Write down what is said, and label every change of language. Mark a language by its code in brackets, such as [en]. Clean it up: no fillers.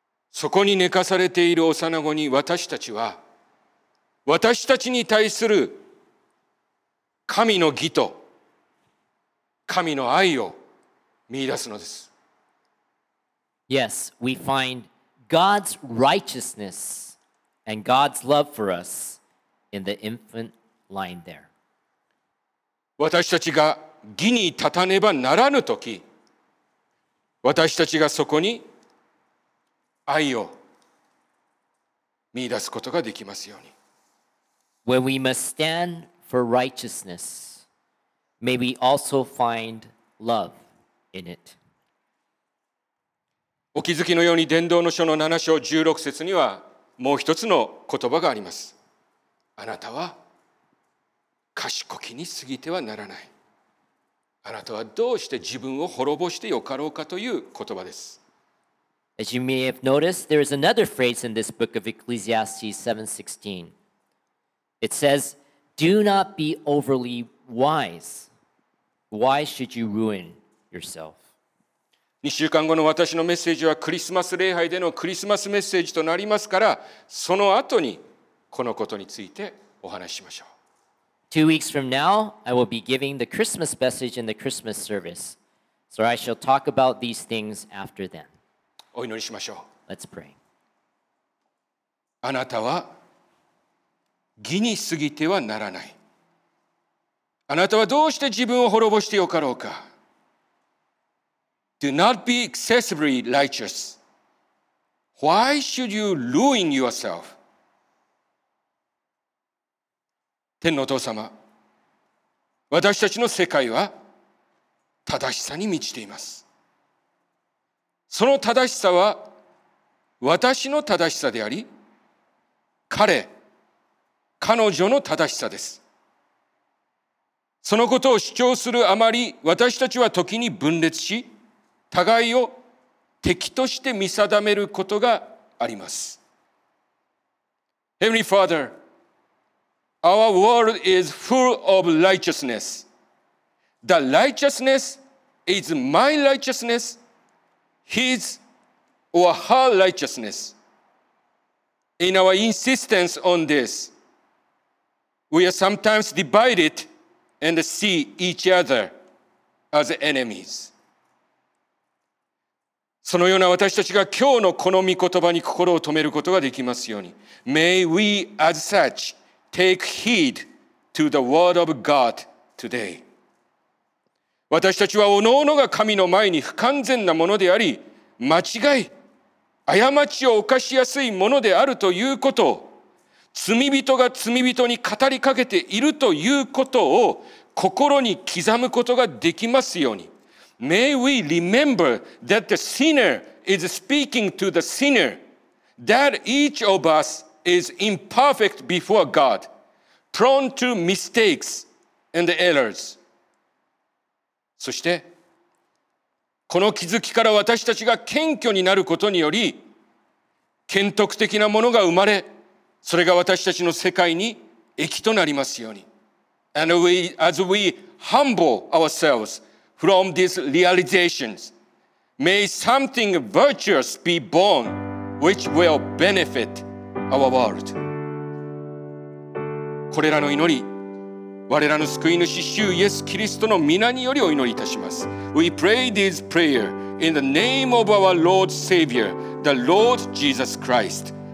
[ja] そこに寝かされている幼子に私たちは、私たちに対する神の義と神の愛を見出すのです。 [en] Yes, we find God's righteousness and God's love for us in the infant line there. [ja] 私たちが義に立たねばならぬとき、私たちがそこに愛を見出すことができますように。 [en] When we must stand for righteousness, may we also find love in it. [ja] お気づきのように伝道の書の7章16節にはもう一つの言葉があります。あなたは賢きに過ぎてはならない。あなたはどうして自分を滅ぼしてよかろうかという言葉です。 [en] As you may have noticed, there is another phrase in this book of Ecclesiastes 7:16. It says, "Do not be overly wise. Why should you ruin yourself?" [ja] 2週間後の私のメッセージはクリスマス礼拝でのクリスマスメッセージとなりますから、その後にこのことについてお話ししましょう。 [en] Two weeks from now, I will be giving the Christmas message in the Christmas service. So I shall talk about these things after then. [ja] お祈りしましょう。 [en] Let's pray. [ja] あなたは義に過ぎてはならない。あなたはどうして自分を滅ぼしてよかろうか。 [en] Do not be excessively righteous. Why should you ruin yourself? [ja] 天のお父様、私たちの世界は正しさに満ちています。その正しさは私の正しさであり、彼女の正しさです。そのことを主張するあまり、私たちは時に分裂し、互いを敵として見定めることがあります。 [en] Heavenly Father,Our world is full of righteousness. The righteousness is my righteousness, his or her righteousness. In our insistence on this, we are sometimes divided and see each other as enemies. [ja] そのような私たちが今日のこの御言葉に心を留めることができますように。 [en] May we as such take heed to the word of God today. [ja] 私たちはおのおのが神の前に不完全なものであり、間違い、過ちを犯しやすいものであるということを、罪人が罪人に語りかけているということを心に刻むことができますように。 [en] May we remember that the sinner is speaking to the sinner, that each of us is imperfect before God, prone to mistakes and errors. [ja] そして、この気づきから私たちが謙虚になることにより、謙徳的なものが生まれ、それが私たちの世界に益となりますように。 [en] And we, as we humble ourselves,From these realizations, may something virtuous be born which will benefit our world. [ja] これらの祈り、我らの救い主、主イエス・キリストの御名によりお祈りいたします。 [en] We pray this prayer in the name of our Lord Savior, the Lord Jesus Christ.